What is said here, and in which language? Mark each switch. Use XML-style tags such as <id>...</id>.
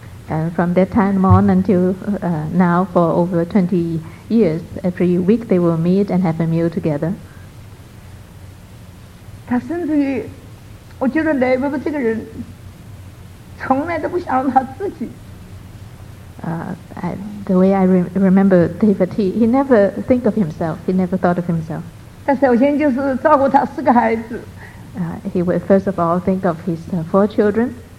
<en>And from that time on until now, for over 20 years, every week they will meet and have a meal together.</en> <zh>他甚至于，我觉得雷伯伯这个人。从来都不想让他自己</zh> <en>The way I remember David, he never think of himself. He never thought of himself.</en> <zh>他首先就是照顾他四个孩子。</zh> <en>He would first of all think of his four children.</en>